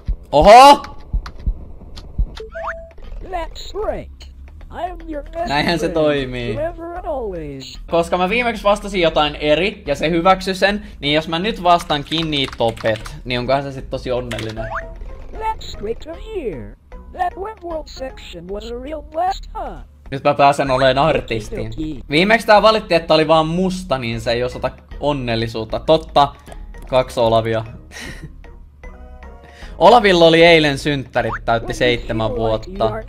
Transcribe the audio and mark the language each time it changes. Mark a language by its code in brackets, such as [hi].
[fi] Oho! [en] That's right. I'm your best. [fi] Näinhän se toimii. Koska mä viimeksi vastasin jotain eri ja se hyväksy sen, niin jos mä nyt vastaan kiinni topet, niin onkohan se sit tosi onnellinen. [en] That's great to hear. That web world section was a real blast, huh? [fi] Nyt mä pääsen olemaan artisti. Viimeksi tää valitti, että oli vaan musta, niin se ei osata onnellisuutta. Totta. Kaksi Olavia. Olavilla oli eilen synttärit, täytti 7 vuotta.